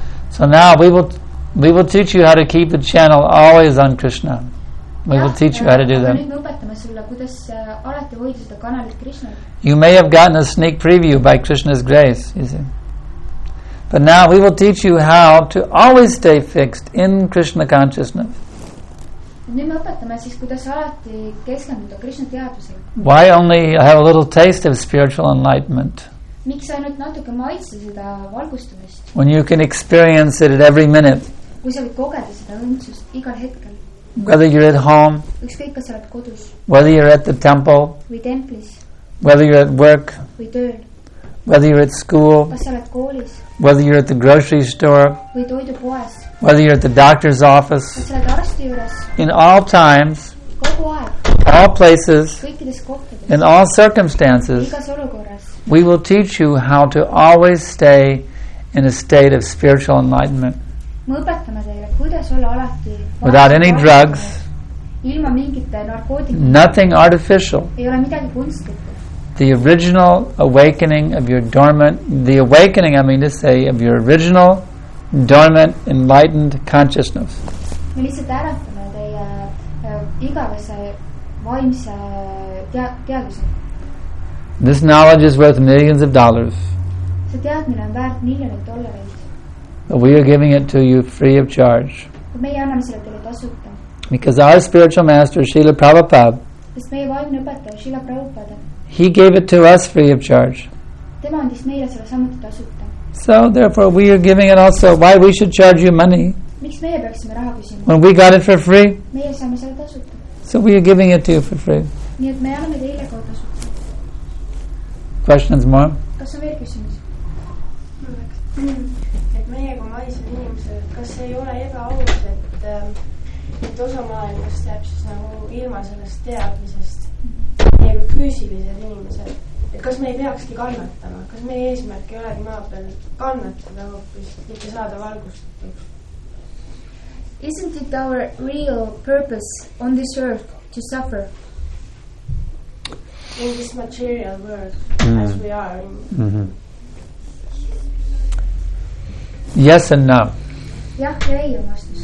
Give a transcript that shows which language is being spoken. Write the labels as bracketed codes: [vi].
[en] So now we will teach you how to keep the channel always on Krishna. We will teach you how to do that. You may have gotten a sneak preview by Krishna's grace, you see. But now we will teach you how to always stay fixed in Krishna consciousness. [et] Nüüd me õpetame siis, kuidas alati keskenduda Krishna teadusele. [en] Why only have a little taste of spiritual enlightenment? [et] Miks ainult natuke maitse seda valgustumist? [en] When you can experience it at every minute. [et] Kui sa võid kogeda seda õndsust igal hetkel. [en] Whether you're at home. [et] Ükskõik, kas sa oled kodus. [en] Whether you're at the temple. [et] Või templis. [en] Whether you're at work. [et] Või tööl. [en] Whether you're at school. [et] Kas sa oled koolis. [en] Whether you're at the grocery store. [et] Või toidu poes. [en] Whether you're at the doctor's office. [et] Kas sa oled arsti juures. [en] In all times. [et] Kogu aeg. [en] All places, [et] kõikides kohtades, [en] in all circumstances, [et] igas olukorras, [en] we will teach you how to always stay in a state of spiritual enlightenment. [et] Me õpetame teile, kuidas olla alati [en] without any drugs, [et] ilma mingite narkootikumite, [en] nothing artificial, [et] ei ole midagi kunstlikku. [en] The original awakening of your dormant, the awakening, I mean to say, of your original dormant enlightened consciousness. [et] Me lihtsalt äratame teie igavese vaimse teaduse. [en] This knowledge is worth millions of dollars. [et] See teadmine on väärt miljoneid dollareid. [en] But we are giving it to you free of charge. [et] Meie anname selle teile tasuta. [en] Because our spiritual master, Srila Prabhupada, [et] sest meie vaimne õpetaja, Srila Prabhupada, [en] he gave it to us free of charge. [et] Tema andis meile selle samuti tasuta. [en] So therefore we are giving it also. Why we should charge you money? [et] Miks meie peaksime raha küsima? [en] When we got it for free? [et] Meie saame selle tasuta. [en] So we are giving it to you for free. [et] Nii et me anname teile kaotasutse. [en] Questions more? [et] Kas on veel küsimus? Et meie kui maised inimesed, kas see ei ole ebaaus, et osa maailmast jääb siis nagu ilma sellest teadmisest? Meie kui füüsilised inimesed. Et kas me ei peakski kannatama? Kas meie eesmärk ei olegi maa peal kannatada hoopis, mitte saada valgustatud? [en] Isn't it our real purpose on this earth to suffer? In this material world, as we are. Mm-hmm. Yes and no. Yeah, yeah, you must.